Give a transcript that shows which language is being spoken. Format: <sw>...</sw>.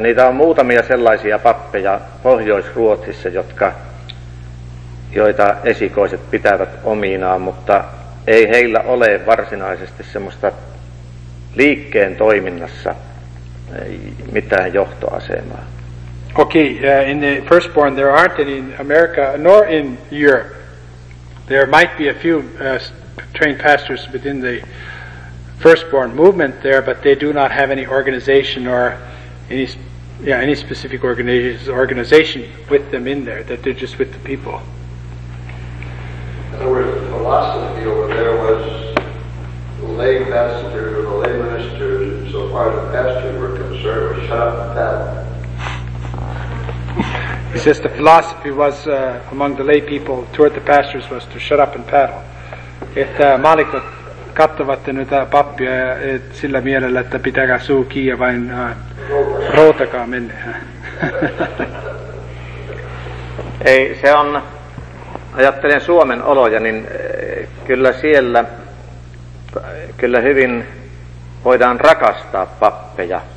<fi>Niitä on muutamia sellaisia pappeja Pohjois-Ruotsissa, joita esikoiset pitävät ominaan, mutta ei heillä ole varsinaisesti semmoista liikkeen toiminnassa mitään johtoasemaa.</fi> <en>Okay, in the firstborn there aren't any in America nor in Europe. There might be a few trained pastors within the firstborn movement there, but they do not have any organization or any specific organization with them in there, that they're just with the people. In other words, the philosophy over there was the lay pastor, the lay minister, so far as the pastors were concerned, was shut up at that. He says the philosophy was among the lay people toward the pastors was to shut up and paddle.</en> <fi>Että maalikot kattavat noita pappia sillä mielellä, että pitäkää suu kiinni ja vain routakaa mennä. Ei, se on, ajattelen Suomen oloja, niin kyllä siellä kyllä hyvin voidaan rakastaa pappeja.</fi>